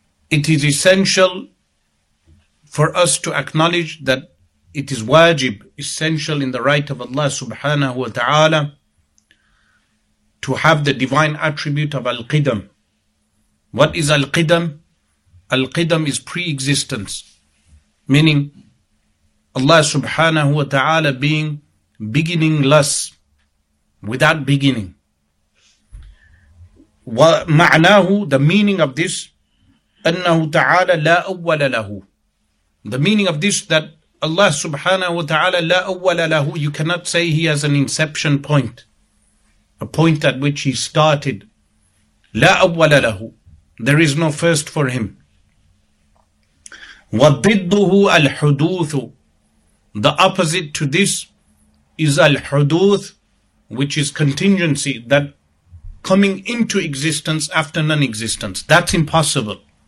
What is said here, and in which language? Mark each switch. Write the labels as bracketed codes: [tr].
[en] It is essential for us to acknowledge that it is wajib, essential in the right of Allah subhanahu wa ta'ala to have the divine attribute of al-qidam. What is al-qidam? Al-qidam is pre-existence, meaning Allah subhanahu wa ta'ala being beginningless, without beginning. [ar] وَمَعْنَاهُ, [en] the meaning of this, [ar] أَنَّهُ تَعَالَى لَا أَوَّلَ لَهُ. [en] The meaning of this, that Allah subhanahu wa ta'ala, [ar] لَا أَوَّلَ لَهُ, [en] you cannot say he has an inception point, a point at which he started. [ar] لَا أَوَّلَ لَهُ, [en] there is no first for him. [ar] وَضِدُّهُ الْحُدُوثُ, [en] the opposite to this is الْحُدُوثُ, which is contingency, that coming into existence after non-existence. That's impossible.